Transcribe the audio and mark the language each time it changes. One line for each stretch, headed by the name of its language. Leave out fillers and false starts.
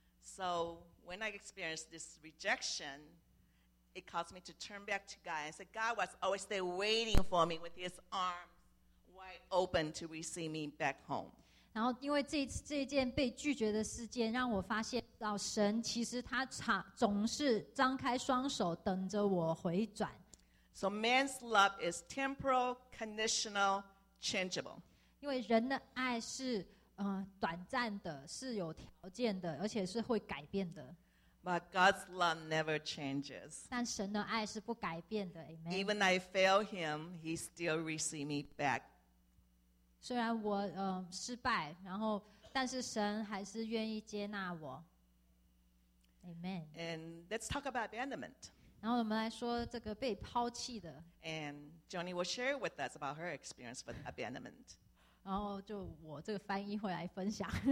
English: So when I experienced this rejection, it caused me to turn back to God and say, God was always there waiting for me with his arms wide open to receive me back home.
Chinese: 然后因为这件被拒绝的事件，让我发现到神其实他总是张开双手等着我回转。
English: So man's love is temporal, conditional, changeable.
Chinese: 因为人的爱是短暂的，是有条件的，而且是会改变的。
English: But God's love never changes.
Chinese: 但神的爱是不改变的。Amen.
English: Even I fail him, he still receives me back.
Chinese: 虽然我失败，然后但是神还是愿意接纳我。
English: Amen. And let's talk about abandonment.
Chinese: 然后我们来说这个被抛弃的。
English: And Joni will share with us about her experience with abandonment.
Chinese: 然后就我这个翻译会来分享。